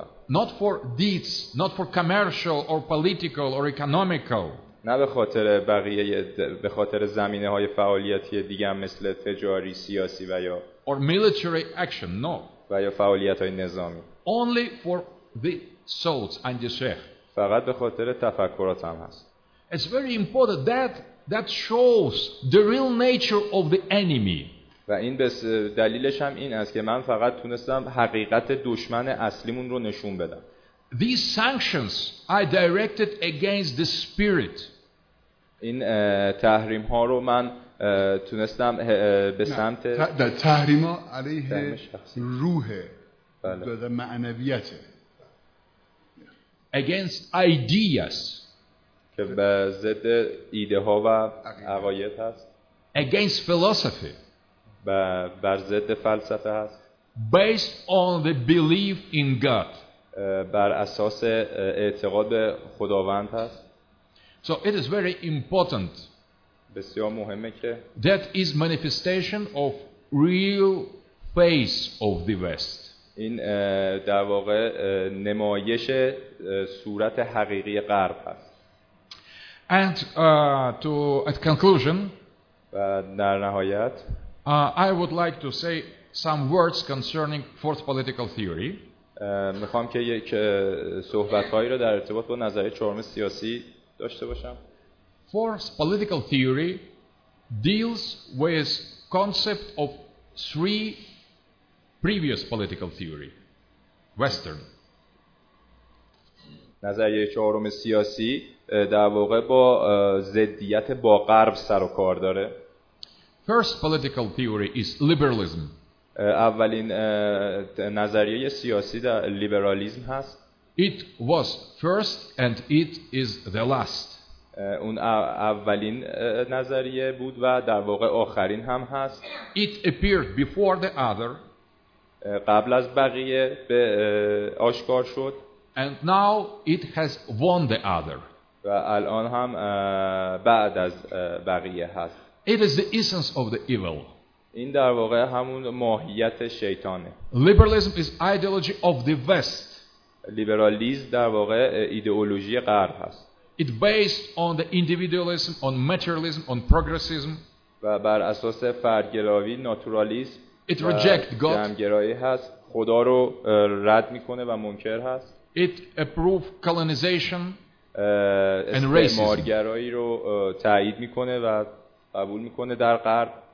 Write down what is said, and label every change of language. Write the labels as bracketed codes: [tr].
[en] Not for deeds, not for commercial or political or economical. [fa] نه به خاطر بقیه به خاطر زمینه‌های فعالیتی دیگه مثل تجاری، سیاسی و یا [en] or military action, no. [fa] و یا فعالیت‌های نظامی. [en] Only for the souls and the sheikh. [fa] فقط به خاطر تفکراتم هست. [en] It's very important that that shows the real nature of the enemy. [fa] و این دلیلش هم این است که من فقط تونستم حقیقت دشمن اصلیمون رو نشون بدم. [en] These sanctions I directed against the spirit. [fa] این تحریم ها رو من تونستم به سمت تحریم ها علیه روح بله. معنویت [en] against ideas [fa] که به ضد ایده ها و عقاید هست [en] against philosophy [fa] بر ضد فلسفه هست [en] based on the belief in God [fa] بر اساس اعتقاد به خداوند هست [en] so it is very important [fa] بسیار مهمه که [en] that is manifestation of real face of the West [fa] این در واقع نمایش صورت حقیقی غرب هست [en] and to at conclusion [fa] و در نهایت [en] I would like to say some words concerning fourth political theory [fa] میخوام که یک صحبت‌هایی رو در ارتباط با نظریه چهارم سیاسی داشته باشم [en] Fourth political theory deals with concept of three previous political theory, Western. [fa] نظریه چهارم سیاسی در واقع با ضدیت با غرب سر و کار داره. [en] First political theory is liberalism. [fa] اولین نظریه سیاسی در لیبرالیسم هست. [en] It was first and it is the last. [fa] اون اولین نظریه بود و در واقع آخرین هم هست. [en] It appeared before the other. [fa] قبل از بقیه به آشکار شد. [en] And now it has won the other. [fa] و الان هم بعد از بقیه هست. [en] It is the essence of the evil. [fa] این در واقع همون ماهیت شیطانه. [en] Liberalism is ideology of the West. [fa] لیبرالیسم در واقع ایدئولوژی غرب هست. [en] It based on the individualism, on materialism, on progressism. [fa] و بر اساس فردگرایی، ناتورالیسم. [en] It rejects God. [fa] جمع‌گرایی هست. خدا رو رد می‌کنه و منکر هست. [en] It approves colonization and racism. [fa] استعمارگرایی رو تأیید می‌کنه و قبول می‌کنه در غرب.